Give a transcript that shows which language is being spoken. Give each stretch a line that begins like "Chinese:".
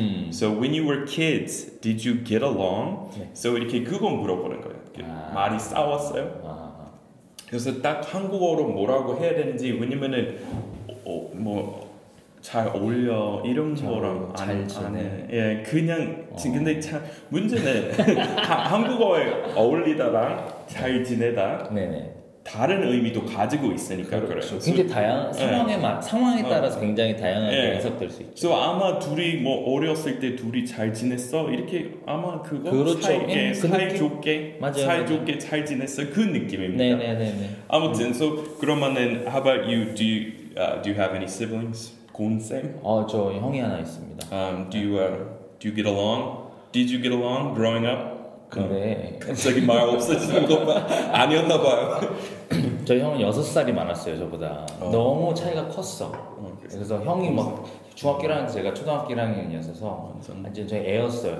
English: So when you were kids, did you get along?
Korean: 네.
English: So
Korean: 이렇게 그거 물어보는 거예요. 아. 말이 싸웠어요. 아. 그래서 딱 한국어로 뭐라고 해야 되는지 왜냐면은 뭐 잘 어울려 이런 거랑 잘 지내 예 그냥 근데 참 문제는 한국어에 어울리다랑 잘 지내다. 네네. 다른 의미도 가지고 있으니까 그렇죠. 그래요. 굉장히 상황에 따라서 굉장히 다양하게 해석될 수 있죠. 그래서 아마 둘이 뭐 어렸을 때 둘이 잘 지냈어 이렇게 아마 그거 그렇죠. 사이좋게 맞아요. 사이좋게 잘 지냈어 그 느낌입니다. 네네네. 아무튼
English: so
Korean: 그러면은
English: how about you? Do you have any siblings?
Korean: 곤쌤? 아, 저 형이 하나 있습니다.
English: Do you get along? Did you get along growing up?
Korean: 근데 갑자기 말 없어지는 것만 아니었나 봐요. 저희 형은 6살이 많았어요, 저보다. 어. 너무 차이가 컸어. 어, 그래서 형이 막 중학교랑 제가 초등학교랑 이었어서 완전 저희 애였어요.